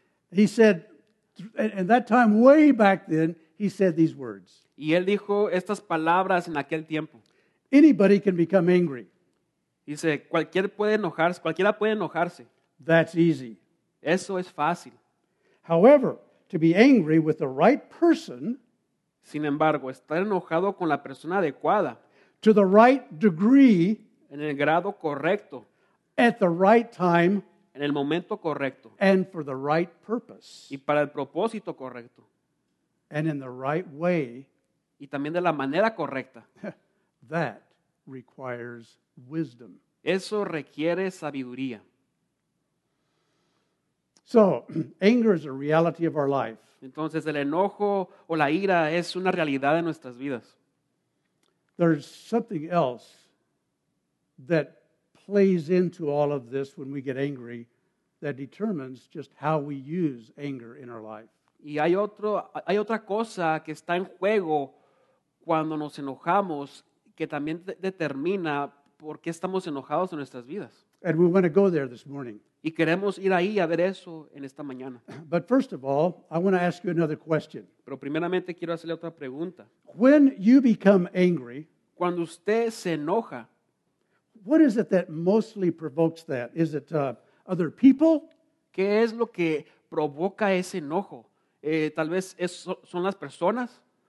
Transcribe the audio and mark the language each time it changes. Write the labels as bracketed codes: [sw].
[en] He said, in that time, way back then, he said these words. [es] Y él dijo estas palabras en aquel tiempo. [en] Anybody can become angry. [es] Dice, cualquiera puede enojarse. [en] That's easy. [es] Eso es fácil. [en] However, to be angry with the right person, [es] sin embargo, estar enojado con la persona adecuada, [en] to the right degree, [es] en el grado correcto, [en] at the right time, [es] en el momento correcto, [en] and for the right purpose, [es] y para el propósito correcto, [en] and in the right way, [es] y también de la manera correcta, [en] that requires wisdom. [es] Eso requiere sabiduría. [en] So, anger is a reality of our life. [es] Entonces, el enojo o la ira es una realidad de nuestras vidas. [en] There's something else that plays into all of this when we get angry that determines just how we use anger in our life. [es] Y hay otra cosa que está en juego cuando nos enojamos que también determina por qué estamos enojados en nuestras vidas. [en] And we want to go there this morning. [es] Y queremos ir ahí a ver eso en esta mañana. [en] But first of all, I want to ask you another question. [es] Pero primeramente quiero hacerle otra pregunta. [en] When you become angry, [es] cuando usted se enoja, [en] what is it that mostly provokes that? Is it other people? [es] ¿Qué es lo que provoca ese enojo? Tal vez son las personas.